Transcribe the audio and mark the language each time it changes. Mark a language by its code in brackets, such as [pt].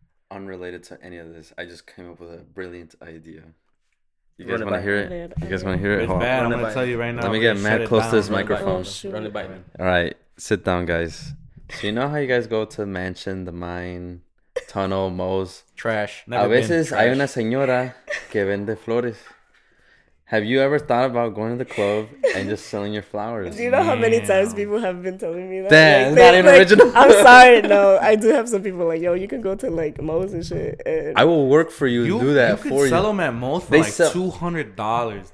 [en] Unrelated to any of this, I just came up with a brilliant idea. You guys want to hear it? You guys want to hear it? It's bad. I'm going to tell you right now. Let me get mad close to this microphone. Run it by me. All right, sit down, guys. So you know how you guys go to the mansion, the mine, tunnel, moles? Trash. Never [es] a veces [en] trash. [es] Hay una señora que vende flores. [en] Have you ever thought about going to the club and just selling your flowers? Do you know how many times people have been telling me that? Damn, like, not even like, original. I'm sorry, no. I do have some people like, yo, you can go to like Mo's and shit. And I will work for you and do that for you. You could sell them at Mo's for $200.